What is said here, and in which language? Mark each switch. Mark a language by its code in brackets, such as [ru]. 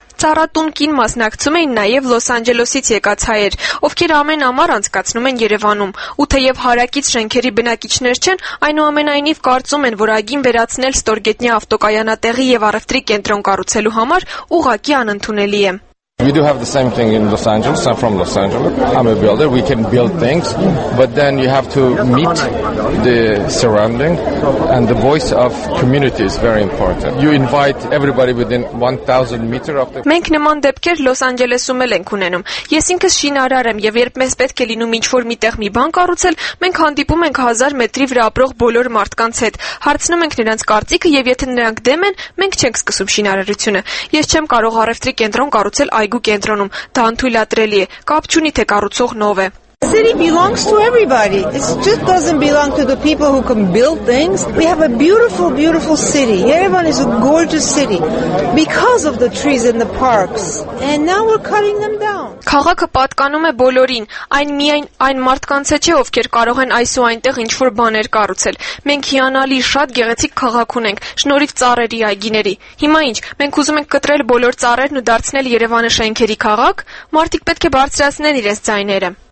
[hy] Ծառատունքին մասնակցում էին նաև Լոս Անջելոսից եկած հայեր, ովքեր ամեն ամառ անցկացնում են Երևանում, ու թեև հարակից շենքերի բնակիչներ չեն, այնուամենայնիվ կարծում են, որ այգին վերացնել ստորգետնյա ավտոկայանատեղի եւ առևտրի կենտրոն կառուցելու համար ուղղակի անընդունելի է։ [en] We do have the same thing in Los Angeles. I'm from Los Angeles. I'm a builder. We can build things, but then you have to meet the surrounding, and the voice of community is very important. You invite everybody within 1,000 meter of the. [hy] Մենք նման դեպքեր Los Angeles-ում էլ ենք ունենում։ Ես ինքս շինարար եմ, եւ երբ մեզ պետք է լինում ինչ-որ միտեղ մի բան կառուցել, մենք հանդիպում ենք 1000 մետրի վրա ապրող բոլոր մարդկանց հետ։ Հարցնում ենք նրանց կարծիքը, եւ եթե նրանք դեմ են, մենք չենք սկսում շինարարությունը։ Ես չեմ կարող առևտրի կենտրոն կառուցել այգու կենտրոնում, դա անթույլատրելի է, կապ չունի թե կառուցող նո՞վ է։ [en] The city belongs to everybody. It just doesn't belong to the people who can build things. We have a beautiful, beautiful city. Yerevan is a gorgeous city because of the trees and the parks. And now we're cutting them down. [hy] Քաղաքը պատկանում է բոլորին, այն միայն այն մարդկանց է չէ, ովքեր կարող են այս ու այնտեղ ինչ-որ բաներ կառուցել։ Մենք հիանալի շատ գեղեցիկ քաղաք ունենք, շնորհիվ ծառերի այգիների։ Հիմա ինչ, մենք ուզում ենք կտրել բոլոր ծառերն ու դարձնել Երևանը շենքերի քաղաք, մարդիկ պետք է բարձրացնեն իրենց ձայները։